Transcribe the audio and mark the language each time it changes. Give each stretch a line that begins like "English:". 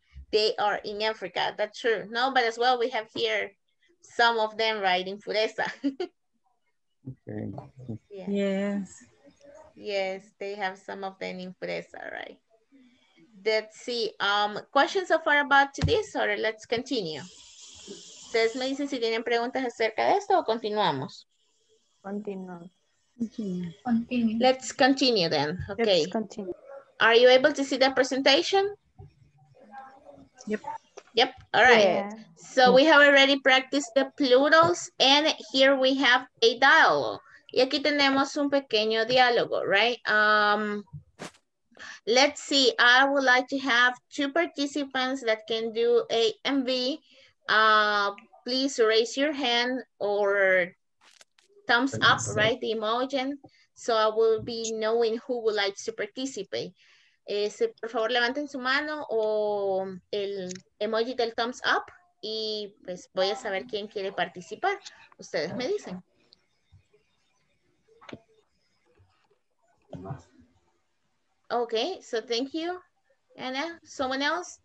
English: They are in Africa, that's true. No, but as well, we have here some of them, right, in Fureza. Okay. Yeah. Yes. Yes, they have some of them in Fureza, right? Let's see. Questions so far about this, or let's continue.
Spanish: ¿Ustedes me dicen si tienen preguntas acerca de esto o continuamos?
English: Continue. Let's continue then, okay. Let's continue. Are you able to see the presentation? Yep. All right. Yeah. So we have already practiced the plurals and here we have a dialogue.
Spanish: Y aquí tenemos un pequeño diálogo, right?
English: Let's see. I would like to have two participants that can do A and B. Please raise your hand or thumbs up, right? The emoji. So I will be knowing who would like to participate.
Spanish: Por favor, levanten su mano o el emoji del thumbs up y pues voy a saber quién quiere participar. Ustedes me dicen.
English: Okay, so thank you, Anna. Someone else?